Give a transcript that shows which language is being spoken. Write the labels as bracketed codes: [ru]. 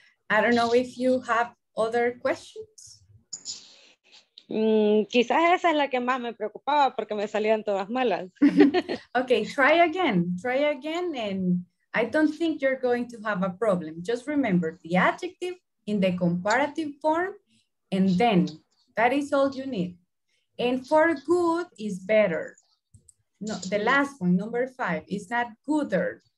[en] I don't know if you have other questions. [es] Quizás esa es la que más me preocupaba porque me salían todas malas. [en] Okay, try again and I don't think you're going to have a problem. Just remember the adjective in the comparative form and then that is all you need. And for good is better. No, the last one, number 5, is not gooder.